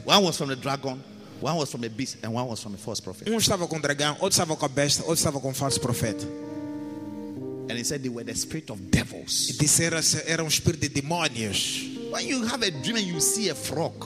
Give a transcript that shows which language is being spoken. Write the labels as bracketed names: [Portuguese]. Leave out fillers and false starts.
[English] One was from the dragon, one was from a beast, and one was from a false prophet. [Portuguese] Um estava com o dragão, outro estava com a besta, outro estava com o falso profeta. [English] And he said they were the spirit of devils. [Portuguese] E disse era um espírito de demônios. [English] When you have a dream and you see a frog.